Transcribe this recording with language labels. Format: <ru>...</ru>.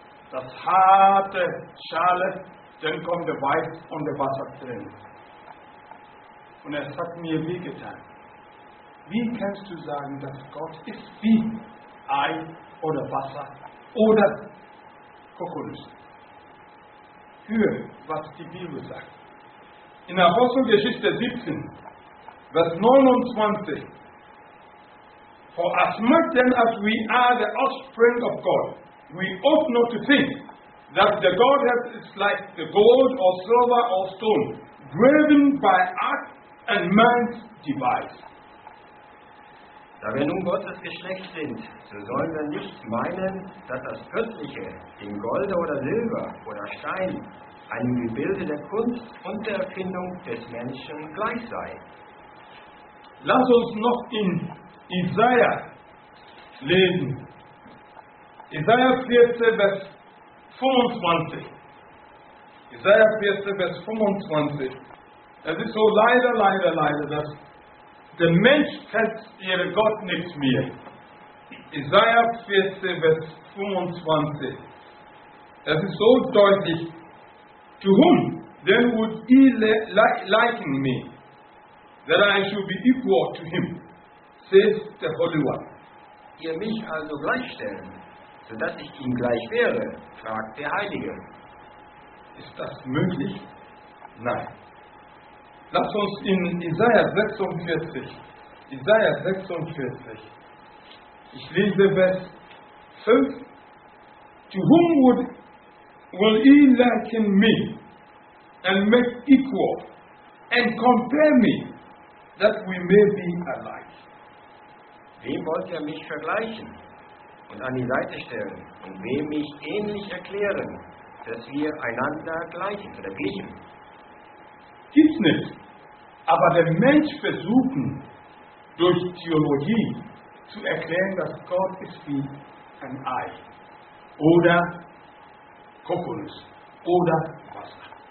<de>Das harte Schale, dann kommt der Weiß und der Wasser drin. Und es hat mir weh getan. Wie kannst du sagen, dass Gott ist wie Ei oder Wasser oder Kokonus? Hör, was die Bibel sagt. In Apostelgeschichte 17, Vers 29,</de> <en>for as much then as we are the offspring of God, we ought not to think that the Godhead is like the gold or silver or stone, graven by art and man's device.</en> <de>Da wir nun Gottes Geschlecht sind, so sollen wir nicht meinen, dass das Göttliche in Gold oder Silber oder Stein einem Gebilde der Kunst und der Erfindung des Menschen gleich sei. Lass uns noch in Jesaja lesen. Jesaja 14, Vers 25. Jesaja 14, Vers 25. Es ist so leider, dass der Mensch kennt ihren Gott nicht mehr. Jesaja 14, Vers 25. Es ist so deutlich.</de> <en>To whom then would he liken me, that I should be equal to him? Says the Holy One.</en> <de>Ihr mich also gleichstellen, sodass ich ihm gleich wäre, fragt der Heilige. Ist das möglich? Nein. Lass uns in Jesaja 46, ich lese Vers 5.</de> <en>To whom will he liken me, and make equal, and compare me, that we may be alike?</en> <de>Wem wollt ihr mich vergleichen und an die Seite stellen und wem mich ähnlich erklären, dass wir einander gleich verbieten? Gibt's nicht. Aber der Mensch versucht durch Theologie zu erklären, dass Gott ist wie ein Ei oder Kokonus oder Wasser.</de>